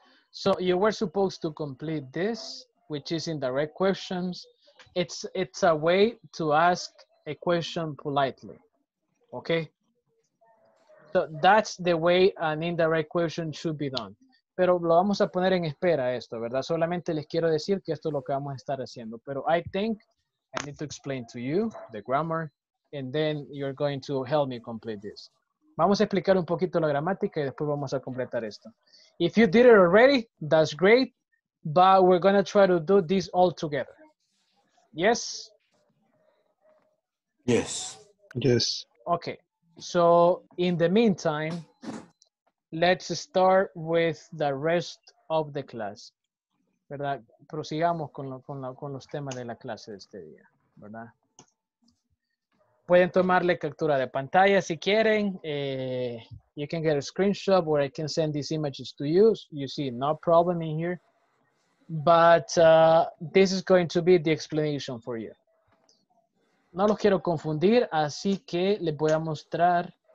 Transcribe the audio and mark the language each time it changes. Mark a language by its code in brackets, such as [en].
[en] So you were supposed to complete this, which is indirect questions. It's a way to ask a question politely. Okay. So that's the way an indirect question should be done. [es] Pero lo vamos a poner en espera esto, ¿verdad? Solamente les quiero decir que esto es lo que vamos a estar haciendo. [en] Pero I think I need to explain to you the grammar, and then you're going to help me complete this. [es] Vamos a explicar un poquito la gramática y después vamos a completar esto. [en] If you did it already, that's great, but we're going to try to do this all together. Yes? Yes. Yes. Okay. So in the meantime, let's start with the rest of the class, ¿verdad? [es] Prosigamos con los temas de la clase de este día, ¿verdad? Pueden tomarle captura de pantalla si quieren. [en] You can get a screenshot where I can send these images to you. You see, no problem in here. But this is going to be the explanation for you. [es] No los quiero confundir, así que les voy a mostrar...